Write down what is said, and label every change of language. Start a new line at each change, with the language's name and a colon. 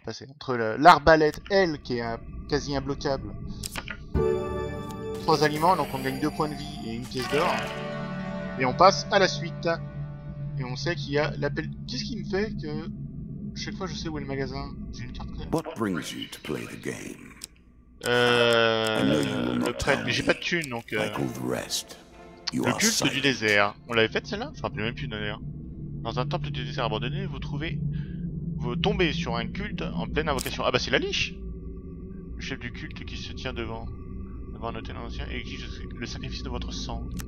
French: Entre l'arbalète, elle, qui est quasi imbloquable. 3 aliments, donc on gagne 2 points de vie et une pièce d'or. Et on passe à la suite. Et on sait qu'il y a l'appel. Qu'est-ce qui me fait que chaque fois je sais où est le magasin? J'ai une carte claire.
English: What brings you to play the game?
French: Le prêtre, mais j'ai pas de thune donc. Le culte du désert. On l'avait faite celle-là? Je me rappelle même plus d'ailleurs. Dans un temple du désert abandonné, vous tombez sur un culte en pleine invocation. Ah bah c'est la liche! Le chef du culte qui se tient devant un hôtel ancien et exige le sacrifice de votre sang.